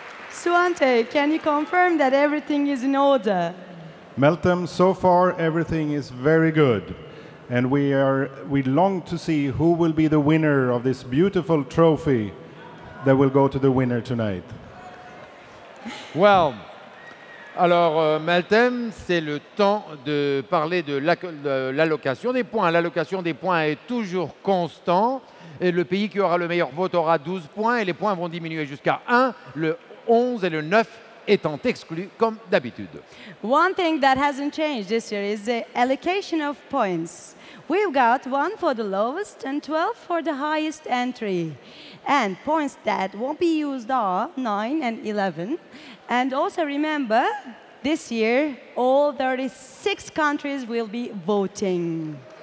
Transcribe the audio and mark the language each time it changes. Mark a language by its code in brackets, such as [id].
[en] Svante, can you confirm that everything is in order? Meltem, so far everything is very good. And we long to see who will be the winner of this beautiful trophy that will go to the winner tonight. [fr] Well, alors Meltem, c'est le temps de parler de l'allocation des points. L'allocation des points est toujours constant. Et le pays qui aura le meilleur vote aura 12 points et les points vont diminuer jusqu'à 1, le 11 et le 9 étant exclus comme d'habitude. [en] One thing that hasn't changed this year is the allocation of points. We've got 1 for the lowest and 12 for the highest entry. And points that won't be used are 9 and 11. And also remember, this year all 36 countries will be voting.